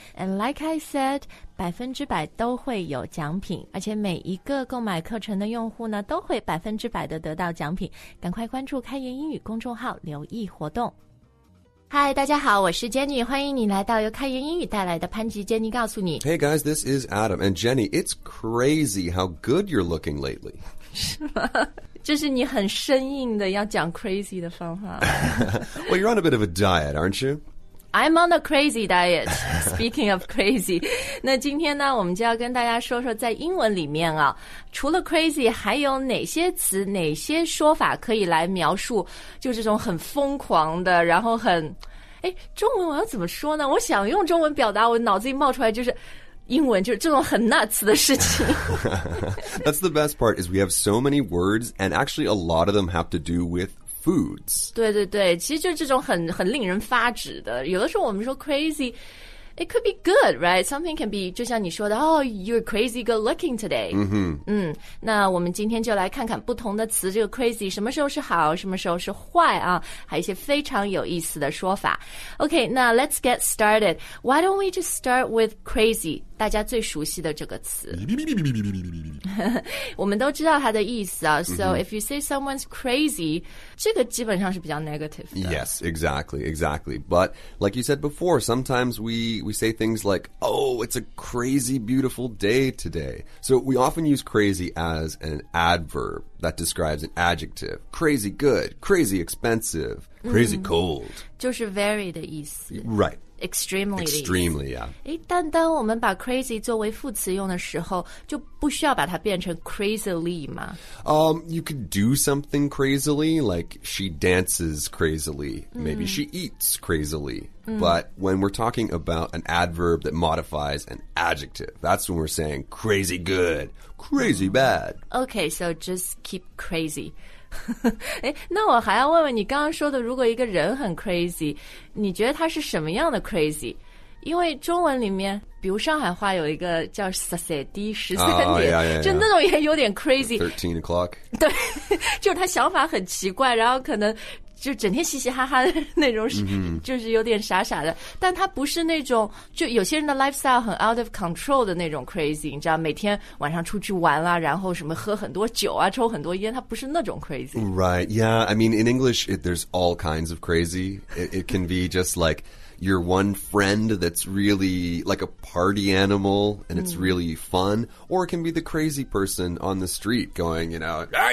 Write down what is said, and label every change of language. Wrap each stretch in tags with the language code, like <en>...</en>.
<en>And like I said,</en> <zh>100%都会有奖品，而且每一个购买课程的用户呢都会100%的得到奖品。赶快关注开言英语公众号留意活动。嗨，大家好，我是 Jenny， 欢迎你来到由开言英语带来的潘吉 Jenny 告诉你。</zh> <en>Hey guys, this is Adam. And Jenny, it's crazy how good you're looking lately.</en> <zh>是吗？就是你很生硬的要讲 crazy 的方法。</zh> <en>Well, you're on a bit of a diet, aren't you? I'm on a crazy diet, speaking of crazy.</en> <zh>那今天呢我们就要跟大家说说在英文里面啊，除了 crazy 还有哪些词哪些说法可以来描述就这种很疯狂的，然后很中文我要怎么说呢，我想用中文表达，我脑子里冒出来就是英文，就是这种很 nuts 的事情。</zh> <en>That's the best part, is we have so many words, and actually a lot of them have to do withfoods.</en> <zh>对对对，其实就是这种很令人发指的。有的时候我们说</zh> <en>crazy, it could be good, right? Something can be,</en> <zh>就像你说的</zh> <en>oh, you're crazy good looking today.</en> <zh>嗯哼。嗯，那我们今天就来看看不同的词，这个 crazy 什么时候是好，什么时候是坏啊，还有一些非常有意思的说法。</zh> <en>OK, 那 let's get started. Why don't we just start with crazy?</en> <zh>大家最熟悉的这个词，我们都知道它的意思啊。</zh> <en>So if you say someone's crazy,</en> <zh>这个基本上是比较 negative 的。</zh> <en>Yes, exactly, exactly. But like you said before, sometimes we say things like, oh, it's a crazy beautiful day today. So we often use crazy as an adverb that describes an adjective. Crazy good, crazy expensive, crazy cold.</en> <zh>就是 very 的意思。</zh> <en>Right. Extremely. Extremely, yeah.</en> <zh>但当我们把 crazy 作为副词用的时候，就不需要把它变成 crazily 吗？</zh> <en>You could do something crazily, like she dances crazily. Maybe she eats crazily. But when we're talking about an adverb that modifies an adjective, that's when we're saying crazy good, crazy bad. Okay, so just keep crazy.</en> <zh>那我还要问问你刚刚说的，如果一个人很 crazy, 你觉得他是什么样的 crazy? 因为中文里面比如上海话有一个叫十三点，就那种也有点 crazy,</zh> <en>13 o'clock,</en> <zh>对，就是他想法很奇怪，然后可能就整天嘻嘻哈哈的那种，就是有点傻傻的，但他不是那种就有些人的 lifestyle 很</zh> <en>out of control</en> <zh>的那种 crazy, 你知道每天晚上出去玩啦，然后什么喝很多酒啊，抽很多烟，他不是那种 crazy.</zh> <en>Right, yeah, I mean in English there's all kinds of crazy. It can be just like your one friend that's really like a party animal and it's really fun, or it can be the crazy person on the street going, you know,</en>